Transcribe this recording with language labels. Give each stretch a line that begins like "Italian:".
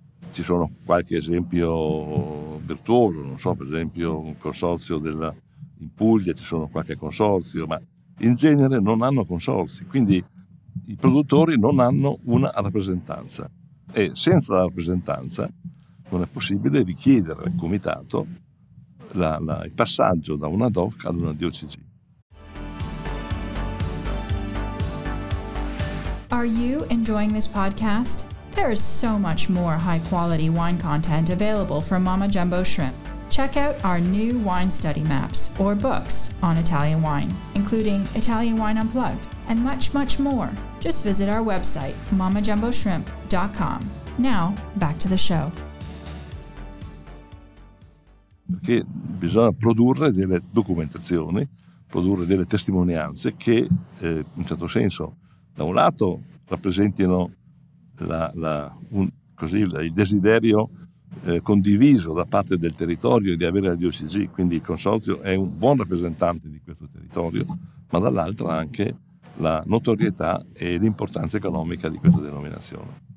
Italian: Ci sono qualche esempio virtuoso, non so, per esempio un consorzio in Puglia, ci sono qualche consorzio, ma in genere non hanno consorzi, quindi i produttori non hanno una rappresentanza, e senza la rappresentanza non è possibile richiedere al comitato il passaggio da una DOC ad una DOCG.
English: Are you enjoying this podcast? There is so much more high quality wine content available from Mama Jumbo Shrimp. Check out our new wine study maps or books on Italian wine, including Italian Wine Unplugged and much, much more. Just visit our website, mamajumboshrimp.com. Now, back to the show.
Italian: Perché bisogna produrre delle documentazioni, produrre delle testimonianze che in un certo senso da un lato rappresentino il desiderio condiviso da parte del territorio di avere la DOCG, quindi il consorzio è un buon rappresentante di questo territorio, ma dall'altro anche la notorietà e l'importanza economica di questa denominazione.